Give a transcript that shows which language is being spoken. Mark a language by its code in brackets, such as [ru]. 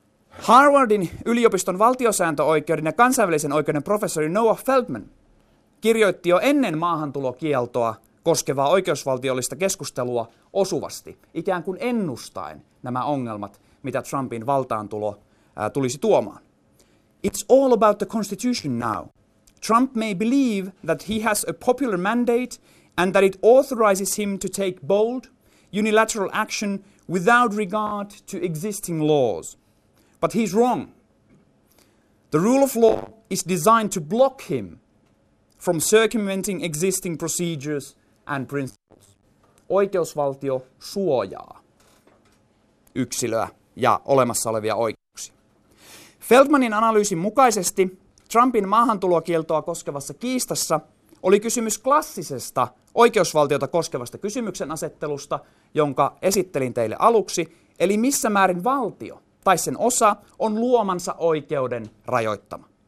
[fi] Harvardin yliopiston valtiosääntöoikeuden ja kansainvälisen oikeuden professori Noah Feldman kirjoitti jo ennen maahantulokieltoa koskevaa oikeusvaltiollista keskustelua osuvasti, ikään kuin ennustaen nämä ongelmat, mitä Trumpin valtaantulo tulisi tuomaan. [en] It's all about the Constitution now. Trump may believe that he has a popular mandate and that it authorizes him to take bold, unilateral action without regard to existing laws. But he's wrong. The rule of law is designed to block him from circumventing existing procedures and principles. [fi] Oikeusvaltio suojaa yksilöä ja olemassa olevia oikeuksia. Feldmanin analyysin mukaisesti Trumpin maahantulokieltoa koskevassa kiistassa oli kysymys klassisesta oikeusvaltiota koskevasta kysymyksen asettelusta, jonka esittelin teille aluksi, eli missä määrin valtio tai sen osa on luomansa oikeuden rajoittama.